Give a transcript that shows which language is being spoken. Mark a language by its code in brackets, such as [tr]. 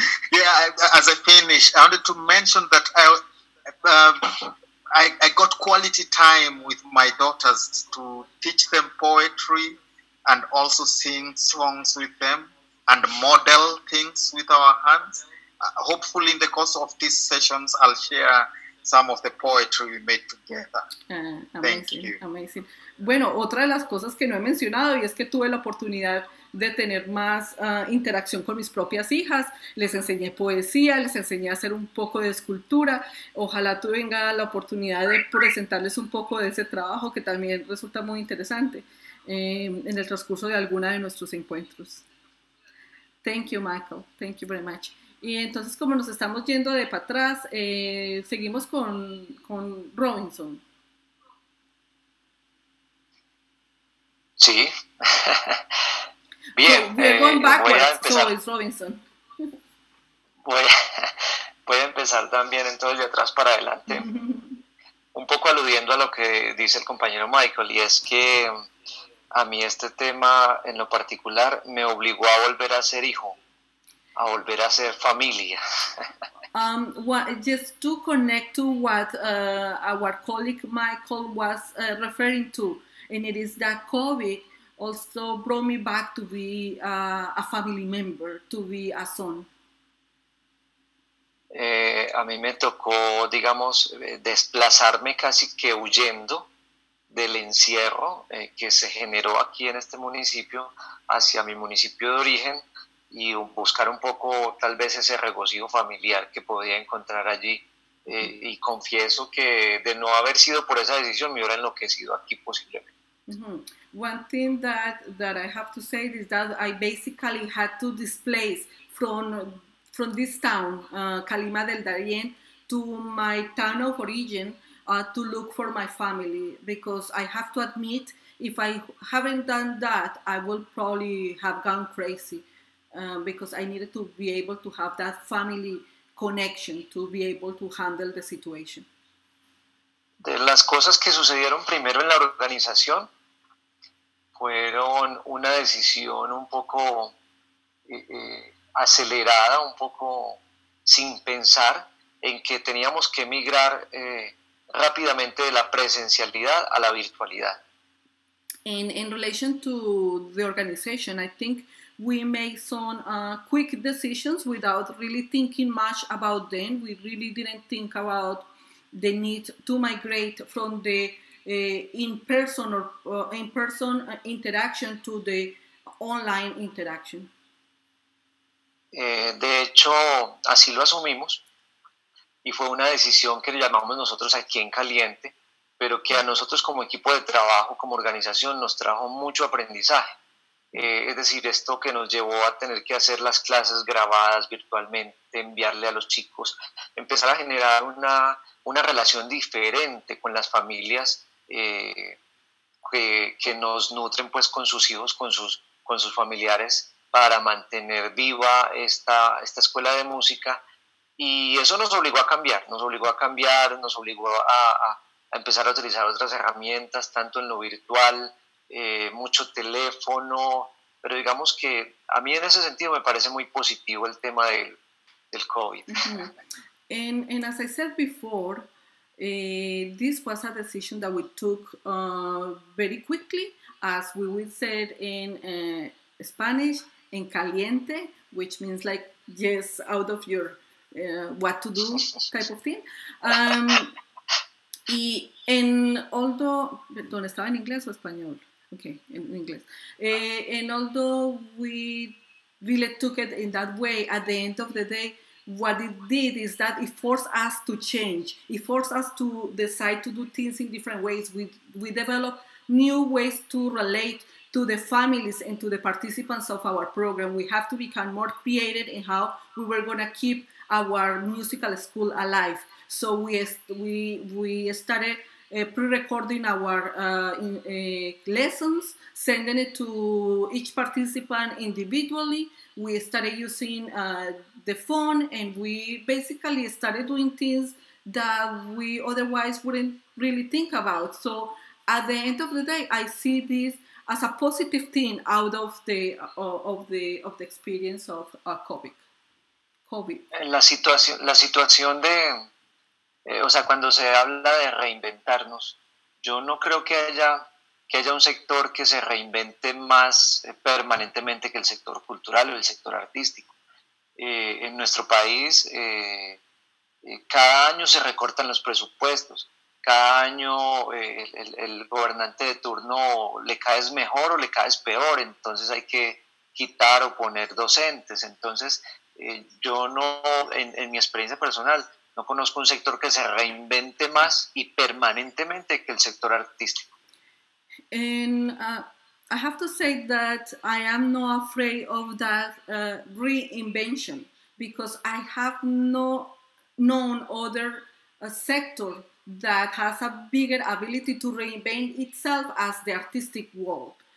[en] Yeah, as I finish, I wanted to mention that I got quality time with my daughters to teach them poetry and also sing songs with them and model things with our hands. Hopefully in the course of these sessions, I'll share some of the poetry we made together. Amazing. Thank you. [es] Bueno, otra de las cosas que no he mencionado y es que tuve la oportunidad de tener más interacción con mis propias hijas. Les enseñé poesía, les enseñé a hacer un poco de escultura. Ojalá tú tenga la oportunidad de presentarles un poco de ese trabajo que también resulta muy interesante en el transcurso de alguna de nuestros encuentros. [en] Thank you, Michael. Thank you very much. [es] Y entonces, como nos estamos yendo de para atrás, seguimos con Robinson. Sí. [en] So [es] Bien, [en] we're going [es] voy a [en] backwards, so [es] empezar. [en] it's Robinson. [es] Voy a empezar también entonces de atrás para adelante, un poco aludiendo a lo que dice el compañero Michael, y es que a mí este tema en lo particular me obligó a volver a ser hijo, a volver a ser familia. [en] What, just to connect to what our colleague Michael was referring to, and it is that COVID also brought me back to be a family member, to be a son. [es] A mí me tocó, digamos, desplazarme casi que huyendo del encierro que se generó aquí en este municipio hacia mi municipio de origen y buscar un poco tal vez ese regocijo familiar que podía encontrar allí. Y confieso que de no haber sido por esa decisión me hubiera enloquecido aquí posiblemente. [en] One thing that I have to say is that I basically had to displace from this town, Calima del Darién, to my town of origin, to look for my family, because I have to admit, if I haven't done that, I will probably have gone crazy, because I needed to be able to have that family connection to be able to handle the situation. [es] De las cosas que sucedieron primero en la organización fueron una decisión un poco acelerada, un poco sin pensar en que teníamos que migrar rápidamente de la presencialidad a la virtualidad. [en] In relation to the organization, I think we made some quick decisions without really thinking much about them. We really didn't think about the need to migrate from the in-person or in-person interaction to the online interaction. [es] De hecho, así lo asumimos y fue una decisión que llamamos nosotros aquí en Caliente, pero que a nosotros como equipo de trabajo, como organización, nos trajo mucho aprendizaje. Es decir, esto que nos llevó a tener que hacer las clases grabadas virtualmente, enviarle a los chicos, empezar a generar una relación diferente con las familias que nos nutren pues con sus hijos, con sus familiares, para mantener viva esta escuela de música. Y eso nos obligó a cambiar, nos obligó a cambiar, nos obligó a empezar a utilizar otras herramientas, tanto en lo virtual, mucho teléfono, pero digamos que a mí en ese sentido me parece muy positivo el tema del COVID. [en] And as I said before, this was a decision that we took very quickly, as we would say in Spanish, [es] en caliente, [en] which means like just out of your what to do type of thing. [es] Y en [en] although, [es] ¿dónde estaba, en inglés o español? Okay, en inglés. [en] And although we really took it in that way, at the end of the day, what it did is that it forced us to change. It forced us to decide to do things in different ways. We develop new ways to relate to the families and to the participants of our program. We have to become more creative in how we were going to keep our musical school alive. So we started pre-recording our lessons, sending it to each participant individually. We started using the phone, and we basically started doing things that we otherwise wouldn't really think about. So at the end of the day, I see this as a positive thing out of the experience of COVID. [es] La situación de, o sea, cuando se habla de reinventarnos, yo no creo que haya un sector que se reinvente más permanentemente que el sector cultural o el sector artístico. En nuestro país, cada año se recortan los presupuestos, cada año el gobernante de turno le caes mejor o le caes peor, entonces hay que quitar o poner docentes. Entonces, yo no, en mi experiencia personal, no conozco un sector que se reinvente más y permanentemente que el sector artístico. [en] And I have to say that I am not afraid of that reinvention, because I have no known other sector that has a bigger ability to reinvent itself as the artistic world.